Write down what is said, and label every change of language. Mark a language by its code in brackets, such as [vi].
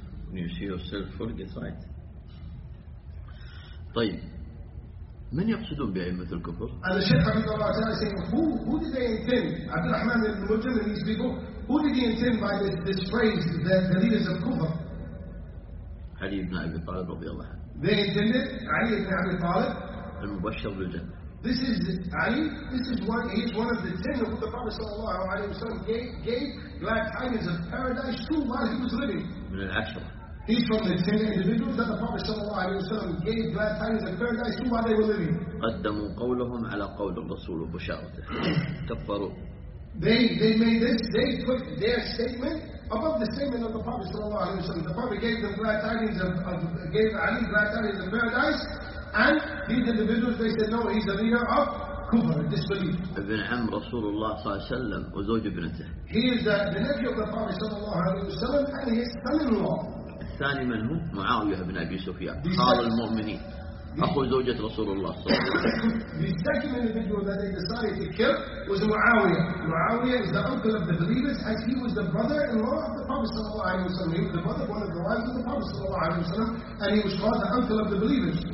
[ar] When you see yourself full, get right. طيب. من يقصدون بأئمة الكفر؟ [en] And the Sheikh Habib Allah Ta'ala saying, who did they intend? عبد الرحمن بن ملجم and these people, who did he intend by this phrase, the leaders of kufr? [ar] علي بن أبي طالب رضي الله عنه. [en] They intended علي بن أبي طالب. [ar] المبشر بالجنة. [en] This is علي. This is one. He's one of the ten of the Prophet [ar] صلى الله عليه وسلم [en] gave glad tidings of paradise to while he was living. [ar] من العشرة. [en] He's from the 10 individuals that the Prophet sallallahu alayhi wa sallam gave glad tidings of paradise to while they were living. [ar] قدموا قولهم على قول الرسول وبشارته. كفروا. [en] They made this, they put their statement above the statement of the Prophet sallallahu alayhi wa sallam. The Prophet gave them glad tidings gave Ali glad tidings of paradise, and these individuals, they said, no, he's a leader of kufr, disbelief. [ar] Ibn Am Rasulullah صلى الله عليه وسلم وزوج ابنته. [en] He is the nephew of the Prophet [ar] صلى الله عليه وسلم [en] and his son-in-law. [ar] الثاني من هو معاوية بن أبي سفيان. قال المؤمنين. أخو زوجة رسول الله صلى الله عليه وسلم. [en] The second individual that they decided to kill was Muawiya. Muawiya is the uncle of the believers, as he was the brother-in-law of the Prophet [ar] صلى الله عليه وسلم. [en] He was the brother of one of the wives of the Prophet [ar] صلى الله عليه وسلم, [en] and he was called the uncle of the believers.